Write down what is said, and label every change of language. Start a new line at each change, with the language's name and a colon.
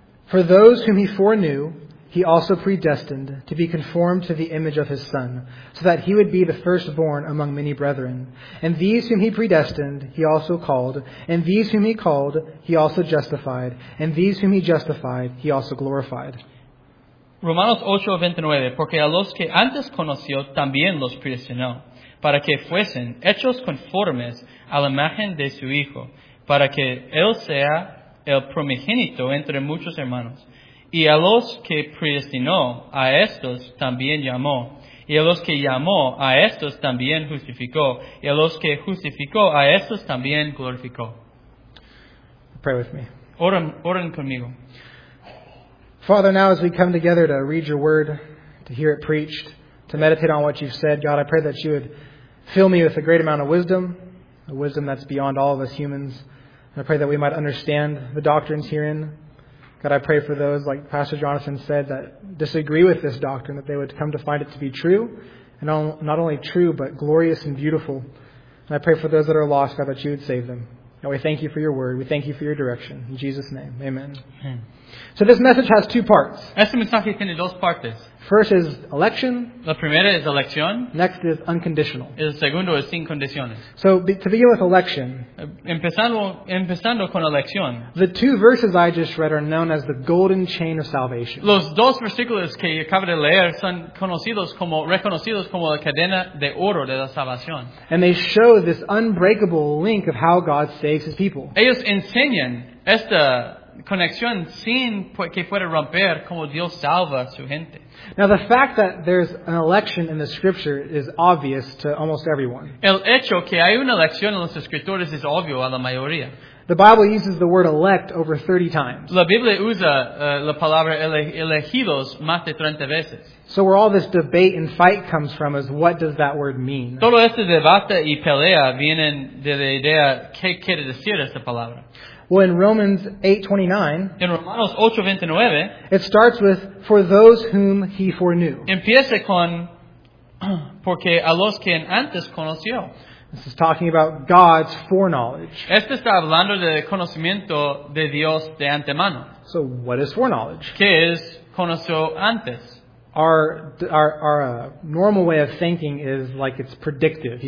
English: For those whom he foreknew, he also predestined to be conformed to the image of his Son, so that he would be the firstborn among many brethren. And these whom he predestined, he also called. And these whom he called, he also justified. And these whom he justified, he also glorified.
Spanish: Romanos 8:29. Porque a los que antes conoció, también los predestinó, para que fuesen hechos conformes a la imagen de su Hijo, para que él sea el primogénito entre muchos hermanos. Y a los que predestinó, a estos también llamó. Y a los que llamó, a estos también justificó. Y a los que justificó, a estos también glorificó.
English: Pray with me.
Spanish: Oren conmigo.
English: Father, now as we come together to read your word, to hear it preached, to meditate on what you've said, God, I pray that you would fill me with a great amount of wisdom, a wisdom that's beyond all of us humans. And I pray that we might understand the doctrines herein. God, I pray for those, like Pastor Jonathan said, that disagree with this doctrine, that they would come to find it to be true, and not only true, but glorious and beautiful. And I pray for those that are lost, God, that you would save them. And we thank you for your word. We thank you for your direction. In Jesus' name, amen. So this message has two parts.
Spanish: Este mensaje tiene dos partes.
English: First is election.
Spanish: La primera es elección.
English: Next is unconditional.
Spanish: El segundo es sin condiciones.
English: So to begin with election.
Spanish: Empezando con elección.
English: The two verses I just read are known as the golden chain of salvation.
Spanish: Los dos versículos que acabo de leer son reconocidos como la cadena de oro de la salvación.
English: And they show this unbreakable link of how God saves his people.
Spanish: Ellos enseñan esta conexión sin que pueda romper como Dios salva a su gente.
English: Now the fact that there's an election in the scripture is obvious to almost everyone.
Spanish: El hecho que hay una elección en las escrituras es obvio a la mayoría.
English: The Bible uses the word elect over 30 times.
Spanish: La Biblia usa la palabra elegidos más de 30 veces.
English: So where all this debate and fight comes from is what does that word mean?
Spanish: Todo este debate y pelea vienen de la idea qué quiere decir esta palabra.
English: Well, in Romans 8:29,
Spanish: en Romanos 8:29,
English: it starts with "for those whom he foreknew."
Spanish: Empieza con porque a los que antes conoció.
English: This is talking about God's foreknowledge.
Spanish: Este está hablando del conocimiento de Dios de antemano.
English: So, what is foreknowledge?
Spanish: ¿Qué es conoció antes?
English: Our normal way of thinking is like it's predictive.